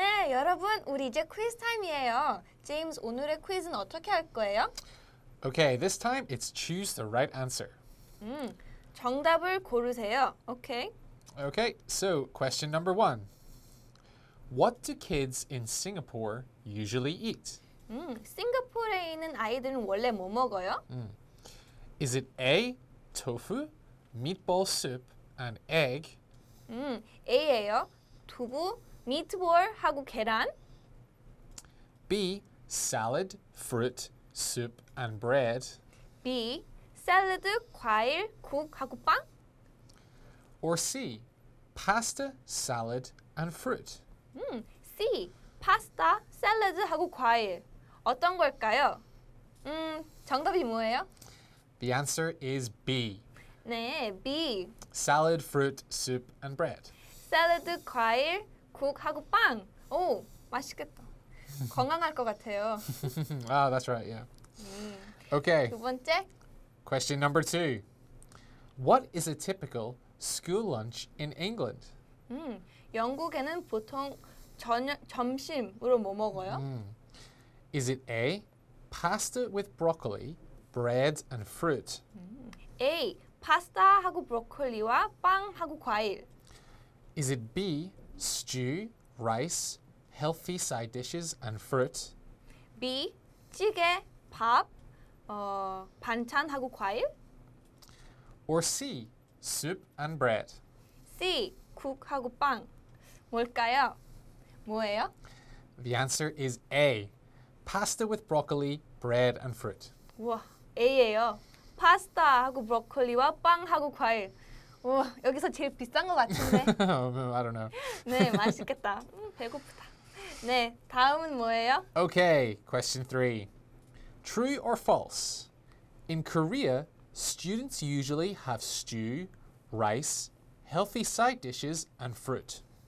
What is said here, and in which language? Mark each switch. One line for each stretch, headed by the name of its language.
Korean: 여러분, 우리 이제 퀴즈 타임이에요. 제임스, 오늘의 퀴즈는 어떻게 할 거예요?
English: Okay, this time it's choose the right answer.
Korean: 정답을 고르세요. Okay.
English: Okay, so question number one. What do kids in Singapore usually eat?
Korean: 싱가포르에 있는 아이들은 원래 뭐 먹어요?
English: Is it A, tofu, meatball soup, and egg?
Korean: A예요. 두부. Meatball 하고 계란.
English: B. Salad, fruit, soup, and bread.
Korean: B. Salad, 과일, 국 하고 빵.
English: Or C. Pasta, salad, and fruit.
Korean: C. Pasta, salad 하고 과일. 어떤 걸까요? 정답이 뭐예요?
English: The answer is B.
Korean: 네, B.
English: Salad, fruit, soup, and bread.
Korean: Salad, 과일. 국하고 빵! 오! 맛있겠다. 건강할 것 같아요.
English: Ah, that's right, yeah. Okay.
Korean: 두 번째.
English: Question number two. What is a typical school lunch in England?
Korean: 영국에는 보통 점심으로 뭐 먹어요?
English: Is it A, pasta with broccoli, bread and fruit?
Korean: A, 파스타하고 브로콜리와 빵하고 과일.
English: Is it B, stew, rice, healthy side dishes and fruit?
Korean: B, 찌개, 밥, 반찬하고 과일?
English: Or C, soup and bread?
Korean: C, 국하고 빵. 뭘까요? 뭐예요?
English: The answer is A, pasta with broccoli, bread and fruit.
Korean: 와, A예요. 파스타하고 브로콜리와 빵하고 과일. 오, 여기서 제일 비싼 것 같은데.
English: I don't know.
Korean: 네, 맛있겠다. 배고프다. 네, 다음은 뭐예요?
English: Okay, question 3. True or false? In Korea, students usually have stew, rice, healthy side dishes, and fruit.